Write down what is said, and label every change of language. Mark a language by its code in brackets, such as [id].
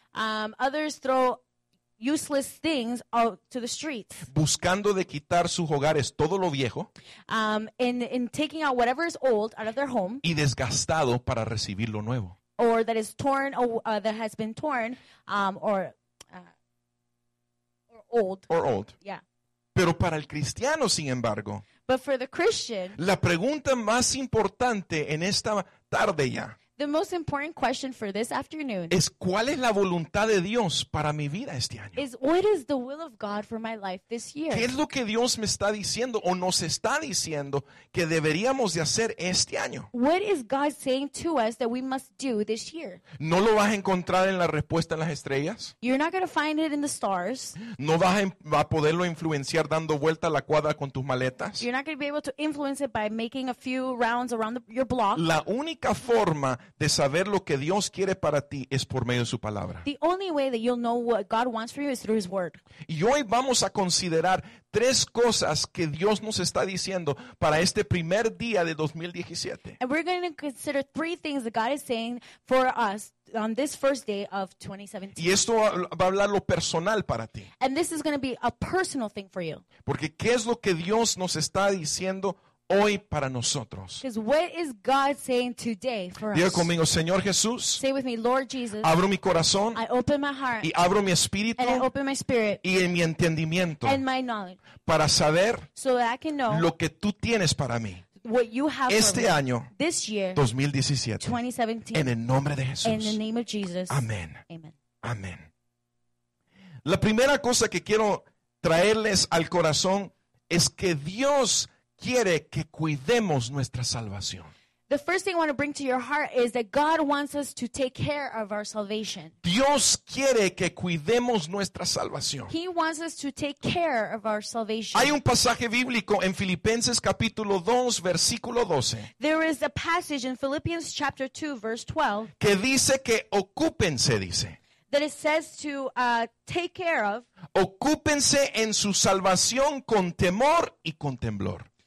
[en] Others throw useless things out to the streets. [es] Buscando de quitar sus hogares todo lo viejo. [en] In taking out whatever is old out of their home. [es] Y desgastado para recibir lo nuevo. [en] Or that is torn, that has been torn, or old. Or old. Yeah. [es] Pero para el cristiano, sin embargo. [en] But for the Christian. [es] La pregunta más importante en esta tarde ya. [en] The most important question for this afternoon. [es] Es cuál es la voluntad de Dios para mi vida este año. [en] Is what is the will of God for my life this year? [es] ¿Qué es lo que Dios me está diciendo o nos está diciendo que deberíamos de hacer este año? [en] What is God saying to us that we must do this year? [es] No lo vas a encontrar en la respuesta en las estrellas. [en] You're not going to find it in the stars. [es] No vas a poderlo influenciar dando vuelta a la cuadra con tus maletas. [en] You're not going to be able to influence it by making a few rounds around your block. [es] La única forma de saber lo que Dios quiere para ti es por medio de su palabra. [en] The only way that you'll know what God wants for you is through his word. [es] Y hoy vamos a considerar tres cosas que Dios nos está diciendo para este primer día de 2017. [en] And we're going to consider three things that God is saying for us on this first day of 2017. [es] Y esto va a hablar lo personal para ti. [en] And this is going to be a personal thing for you. [es] Porque ¿qué es lo que Dios nos está diciendo hoy para nosotros? [en] Because what is God saying today for [es] Diga Diga conmigo, Señor Jesús. [en] Say with me, Lord Jesus. [es] Abro mi corazón. [en] I open my heart. [es] Y abro mi espíritu. [en] And I open my spirit. [es] Y en mi entendimiento. [en] And my knowledge. [es] Para saber. [en] So that I can know. [es] Lo que tú tienes para mí. [en] What you have [es] este [en] for me. [es] Año. [en] This year. [es] 2017. [en] 2017. [es] En el nombre de Jesús. [en] In the name of Jesus. [es] Amén. [en] Amen. [es] Amén. La primera cosa que quiero traerles al corazón es que Dios quiere que cuidemos nuestra salvación. [en] The first thing I want to bring to your heart is that God wants us to take care of our salvation. [es] Dios quiere que cuidemos nuestra salvación. [en] He wants us to take care of our salvation. [es] Hay un pasaje bíblico en Filipenses capítulo 2, versículo 12. [en] There is a passage in Philippians chapter 2, verse 12. [es] Que dice que ocúpense, dice. [en] That it says to take care of. [es] Ocúpense en su salvación con temor y con temblor.